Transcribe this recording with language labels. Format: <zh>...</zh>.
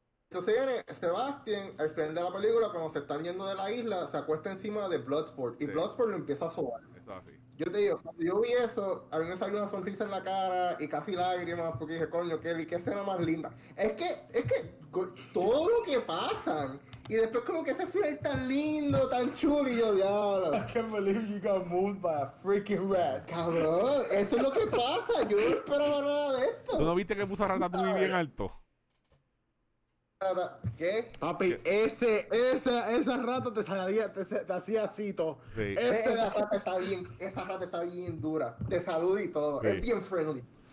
<es>Entonces viene Sebastian, al final de la película, cuando se están yendo de la isla, se acuesta encima de Bloodsport. Y sí. Bloodsport lo empieza a sobar. Yo te digo, cuando yo vi eso, a mí me salió una sonrisa en la cara y casi lágrimas, porque dije, coño, Kelly, qué escena más linda. Es que todo lo que pasan, y después como que ese final tan lindo, tan chulo, y yo, diablo.</es> <en>I can't believe you got moved by a freaking rat.</en> <es>Cabrón, eso es lo que pasa, yo no esperaba nada de esto. ¿Tú no viste que puso a Ratatouille bien alto? ¿Qué? Papi, esa rata te hacía así todo. Sí. Esa rata está bien dura. Te saluda y todo. Sí. Es bien friendly.</es>